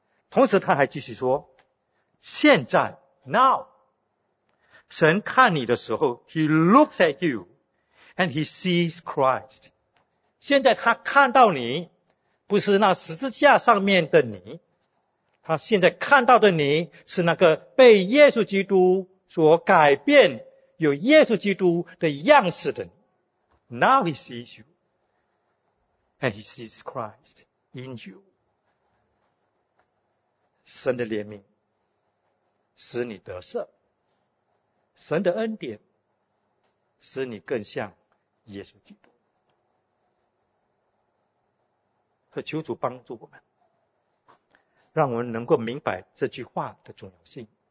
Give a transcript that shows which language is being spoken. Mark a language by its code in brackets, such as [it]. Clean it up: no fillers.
[zh] 同时他还继续说，现在 [en] now [zh] 神看你的时候， [en] He looks at you and He sees Christ， [zh] 现在他看到你，不是那十字架上面的你，他现在看到的你是那个被耶稣基督所改变，有耶稣基督的样式的你。 [en] Now he sees you, and he sees Christ in you. [zh] 神的怜悯使你得赦，神的恩典使你更像耶稣基督。所以求主帮助我们，让我们能够明白这句话的重要性。